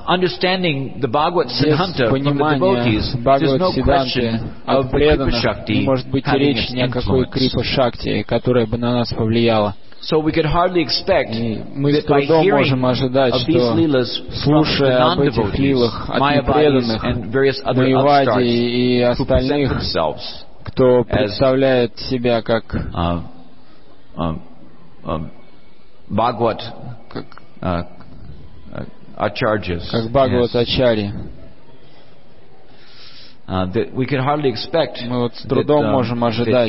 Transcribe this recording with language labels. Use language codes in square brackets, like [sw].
[en] Understanding the Bhagavad Siddhanta from the devotees, there's no question of Kripa Shakti. [ru] Не может быть речи ни о какой Крипа Шакти, которая бы на нас повлияла. [en] So we could hardly expect that by hearing of these lilas from the non-devotees, Mayavadis and various other upstarts who present themselves, [ru] кто представляет себя как [en] Bhagavat. Acharyas. [ru] Как Бхагават Ачарьи. [en] We can hardly expect that